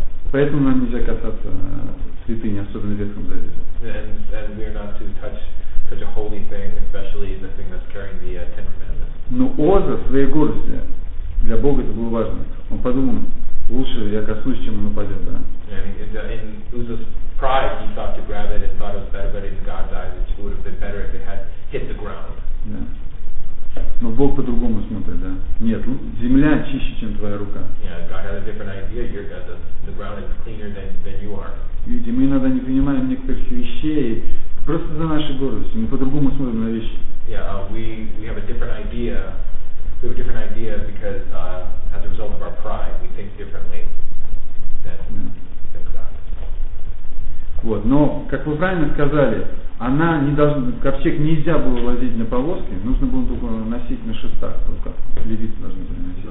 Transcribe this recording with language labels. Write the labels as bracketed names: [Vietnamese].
[Russian] Поэтому нам нельзя касаться святыни, особенно в Ветхом Завете. [English] And we are not to touch such a holy thing, especially the thing that's carrying the Ten Commandments. [Russian] Но Оза в своей гордости, для Бога это было важно. Он подумал, лучше я коснусь, чем он упадет, да? [English] In Uzza's pride, he thought to grab it and thought it was better, but in God's eyes, it would have been better if it had hit the ground. Yeah. [Russian] Но Бог по-другому смотрит, да? Нет, земля чище, чем твоя рука. [English] Yeah, God has a different idea. Your God, the ground is cleaner than you are. [Russian] Люди, мы иногда не понимаем некоторых вещей просто за нашей гордости. Мы по-другому смотрим на вещи. [English] Yeah, we have a different idea. We have a different idea because as a result of our pride, we think differently than God. [Russian] Вот, но, как вы правильно сказали, она не должна, ковчег нельзя было возить на повозке, нужно было только носить на шестах, только левиты должны были носить.